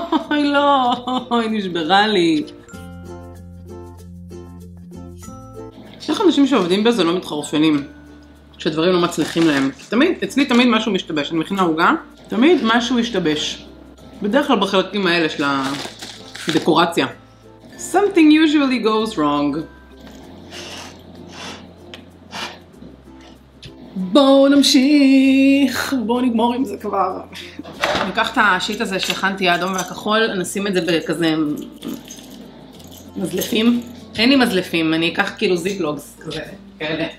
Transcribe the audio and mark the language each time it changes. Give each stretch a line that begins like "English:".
Hebrew: אוי לא, היא נשברה לי. איך אנשים שעובדים בזה לא מתחרפנים כשדברים לא מצליחים להם? תמיד, אצלי תמיד משהו משתבש, אני מכינה עוגה, תמיד משהו משתבש. בדרך כלל בחלקים האלה של הדקורציה.
English: Something usually goes wrong.
Hebrew: בואו נמשיך, בואו נגמור עם זה כבר. אני אקח את השיט הזה שהכנתי האדום והכחול, נשים את זה בכזה מזלפים. אין לי מזלפים, אני אקח כאילו זיפלוגס כאלה.